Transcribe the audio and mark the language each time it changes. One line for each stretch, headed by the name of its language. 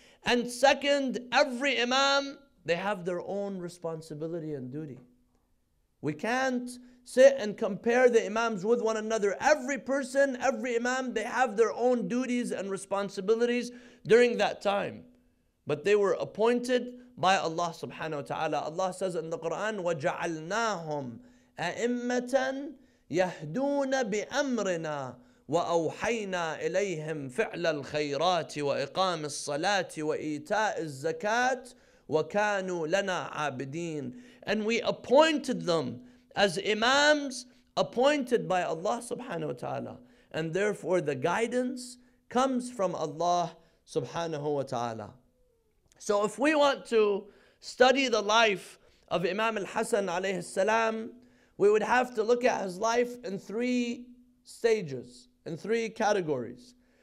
English: And second, every Imam, they have their own responsibility and duty. We can't sit and compare the Imams with one another. Every person, every Imam, they have their own duties and responsibilities during that time. But they were appointed by Allah subhanahu wa ta'ala. Allah says in the Quran,
Arabic: وَجَعَلْنَاهُمْ أَئِمَّةً يَهْدُونَ بِأَمْرِنَا وَأَوْحَيْنَا إِلَيْهِمْ فِعْلَ الْخَيْرَاتِ وَإِقَامِ الصَّلَاةِ وَإِيْتَاءِ الزَّكَاةِ وَكَانُوا لَنَا عَابِدِينَ
English: And we appointed them as imams appointed by Allah subhanahu wa ta'ala. And therefore the guidance comes from Allah subhanahu wa ta'ala. So if we want to study the life of Imam al-Hasan alayhi salam, we would have to look at his life in three stages, in three categories.